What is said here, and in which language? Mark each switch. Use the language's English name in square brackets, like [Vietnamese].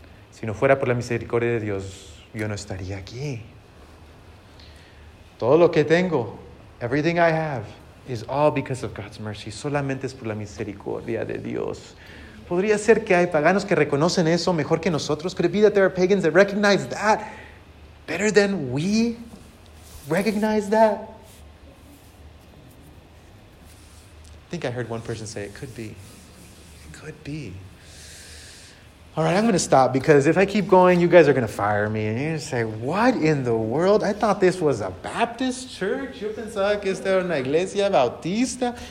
[Spanish] Si no fuera por la misericordia de Dios, yo no estaría aquí. Todo lo que tengo, [English] everything I have, is all because of God's mercy. [Spanish] Solamente es por la misericordia de Dios. Podría ser que hay paganos que reconocen eso mejor que nosotros. [English] Could it be that there are pagans that recognize that better than we recognize that? I think I heard one person say it could be. It could be. All right, I'm going to stop because if I keep going, you guys are going to fire me. And you're going to say, what in the world? I thought this was a Baptist church. [Spanish] Yo pensaba que esta era una iglesia bautista.